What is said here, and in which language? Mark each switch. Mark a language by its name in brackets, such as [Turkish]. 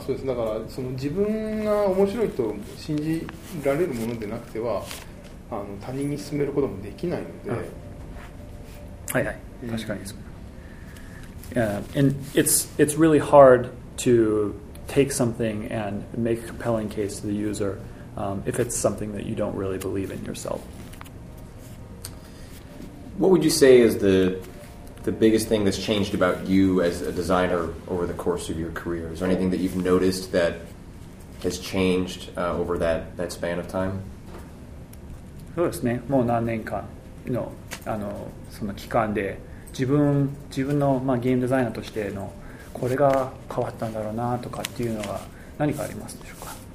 [Japanese] そうです。だからその自分が面白いと信じられるものでなくては、あの他人に勧めることもできないので、はいはい、確かにです。 [English] And it's really hard to take something and make a compelling case to the user if it's something that you don't really believe in yourself. What would you say is the biggest thing that's changed about you as a designer over the course of your career? Is there anything that you've noticed that has changed over that span of time? [Japanese] そうですね。もう何年間の、あの、その期間で自分の、まあ、ゲームデザイナーとしてのこれが変わったんだろうなとかっていうのは何かありますでしょうか？